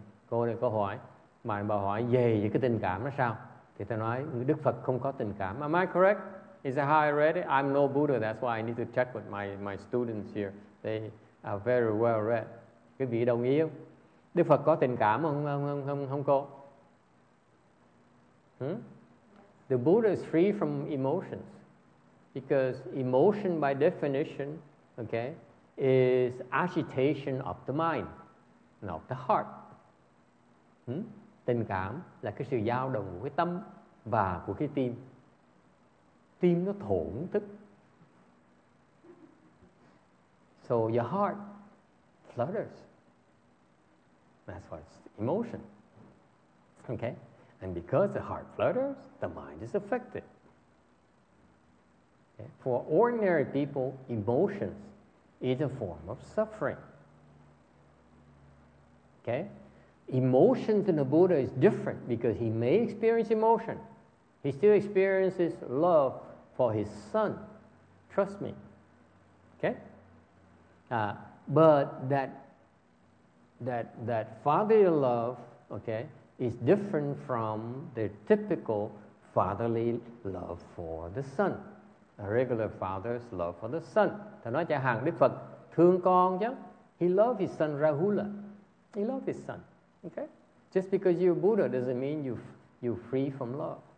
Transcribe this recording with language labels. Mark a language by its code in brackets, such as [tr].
[vi] Cô này có hỏi, mà bà hỏi về những cái tình cảm nó sao? Thì tôi nói Đức Phật không có tình cảm. [en] Am I correct? Is that how I read it? I'm no Buddha. That's why I need to check with my students here. They are very well read. [vi] Quý vị đồng ý không? Đức Phật có tình cảm không cô? [en] The Buddha is free from emotions because emotion by definition, okay, is agitation of the mind, not of the heart. [vi] Tình cảm là cái sự dao động của cái tâm và của cái tim. Tim nó thổn thức. [en] So your heart flutters. That's what it's emotion. Okay? And because the heart flutters, the mind is affected. Okay? For ordinary people, emotions is a form of suffering. Okay? Emotions in the Buddha is different because he may experience emotion. He still experiences love for his son. Trust me. Okay? But that fatherly love, okay, is different from the typical fatherly love for the son. A regular father's love for the son. [vi] Thầy nói cha hàng Đức Phật thương con chứ. [en] He loved his son Rahula. He loved his son. Okay? Just because you're Buddha doesn't mean you're free from love.